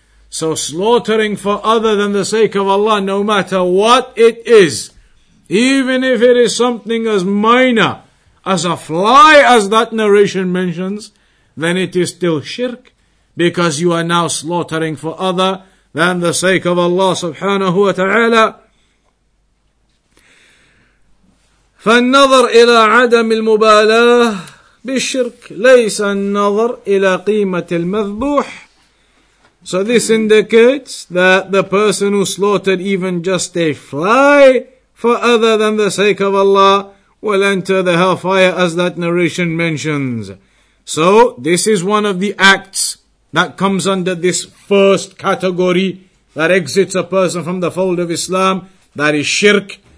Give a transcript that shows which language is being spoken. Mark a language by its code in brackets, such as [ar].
[en] So slaughtering for other than the sake of Allah, no matter what it is, even if it is something as minor as a fly as that narration mentions, then it is still shirk, because you are now slaughtering for other than the sake of Allah subhanahu wa ta'ala. [ar] فالنظر إلى عدم المبالاة بالشرك ليس النظر إلى قيمة المذبوح. [en] So this indicates that the person who slaughtered even just a fly for other than the sake of Allah will enter the hellfire as that narration mentions. So this is one of the acts that comes under this first category that exits a person from the fold of Islam, that is shirk.